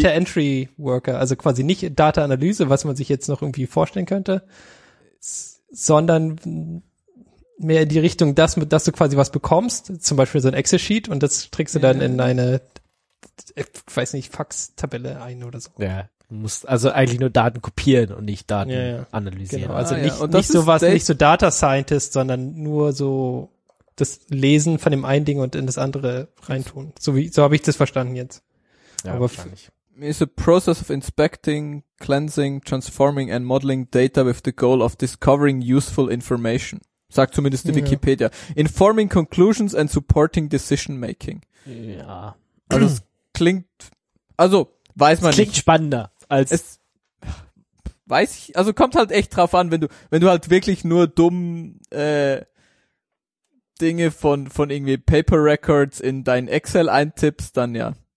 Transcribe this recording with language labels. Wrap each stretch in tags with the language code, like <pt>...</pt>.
<de>Data Entry Worker, also quasi nicht Data Analyse, was man sich jetzt noch irgendwie vorstellen könnte, sondern mehr in die Richtung, dass du quasi was bekommst, zum Beispiel so ein Excel-Sheet und das trägst du dann in eine, ich weiß nicht, Fax-Tabelle ein oder so. Ja, du musst also eigentlich nur Daten kopieren und nicht Daten analysieren. Genau. Also nicht sowas, nicht so Data Scientist, sondern nur so das Lesen von dem einen Ding und in das andere reintun. So habe ich das verstanden jetzt. Ja, aber wahrscheinlich.</de> <en>Is a process of inspecting, cleansing, transforming and modeling data with the goal of discovering useful information.</en> <de>Sagt zumindest die Wikipedia.</de> <en>Informing conclusions and supporting decision making.</en> <de>Ja. Also es klingt, also weiß man nicht. Klingt spannender als es, weiß ich, also kommt halt echt drauf an, wenn du halt wirklich nur dumm Dinge von irgendwie Paper Records in dein Excel eintippst, dann ja.</de>